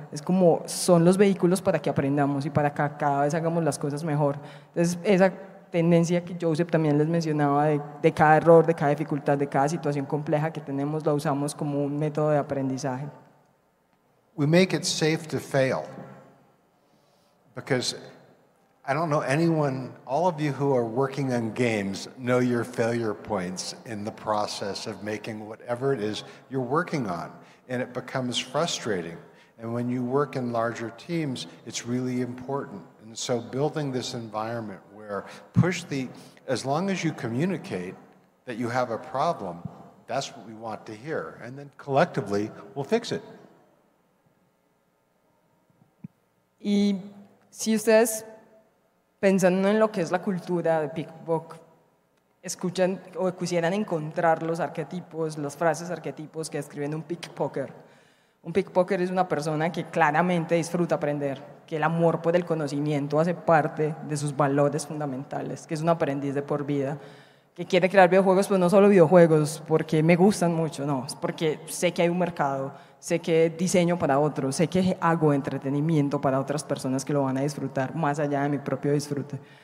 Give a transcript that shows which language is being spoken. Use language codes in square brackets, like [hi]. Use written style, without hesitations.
[es] Es como son los vehículos para que aprendamos y para que cada vez hagamos las cosas mejor. Entonces, esa tendencia que Joseph también les mencionaba de cada error, de cada dificultad, de cada situación compleja que tenemos, la usamos como un método de aprendizaje. [en] We make it safe to fail. Because I don't know anyone, all of you who are working on games know your failure points in the process of making whatever it is you're working on. And it becomes frustrating. And when you work in larger teams, it's really important. And so building this environment where as long as you communicate that you have a problem, that's what we want to hear. And then collectively, we'll fix it. [es] Y si ustedes, pensando en lo que es la cultura de Pickbook, escuchan o quisieran encontrar los arquetipos, las frases arquetipos que describen un pickpocker. Un pickpocker es una persona que claramente disfruta aprender, que el amor por el conocimiento hace parte de sus valores fundamentales, que es un aprendiz de por vida, que quiere crear videojuegos, pero no solo videojuegos, porque me gustan mucho, no, es porque sé que hay un mercado, sé que diseño para otros, sé que hago entretenimiento para otras personas que lo van a disfrutar, más allá de mi propio disfrute.